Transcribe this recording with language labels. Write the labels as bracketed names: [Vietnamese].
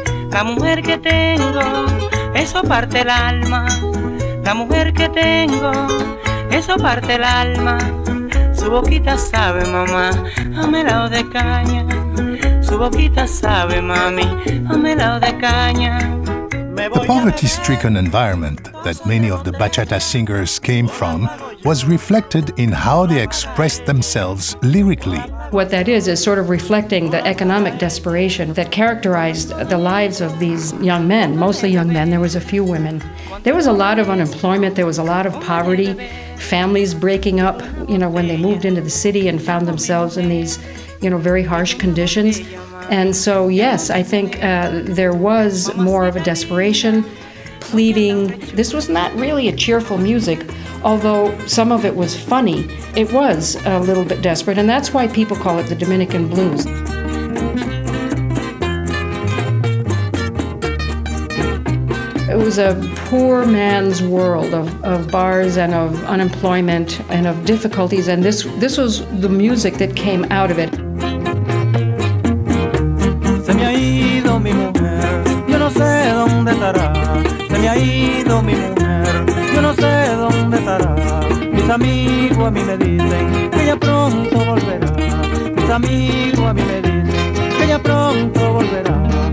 [Spanish] La mujer que tengo, eso parte el alma, la mujer que tengo, eso parte el alma. Su boquita sabe, mamá, a melao de caña, su boquita sabe, mami, a melao de caña. [English] The poverty-stricken environment that many of the bachata singers came from was reflected in how they expressed themselves lyrically. What that is sort of reflecting the economic desperation that characterized the lives of these young men, mostly young men. There was a few women. There was a lot of unemployment. There was a lot of poverty. Families breaking up, you know, when they moved into the city and found themselves in these, you know, very harsh conditions. And so, yes, I think there was more of a desperation, pleading. This was not really a cheerful music, although some of it was funny. It was a little bit desperate, and that's why people call it the Dominican blues. It was a poor man's world of bars and of unemployment and of difficulties, and this was the music that came out of it. [Spanish] Se me ha ido mi mujer, yo no sé dónde estará. Se me ha ido mi mujer, yo no sé dónde estará. Mis amigos a mí me dicen que ella pronto volverá. Mis amigos a mí me dicen que ella pronto volverá.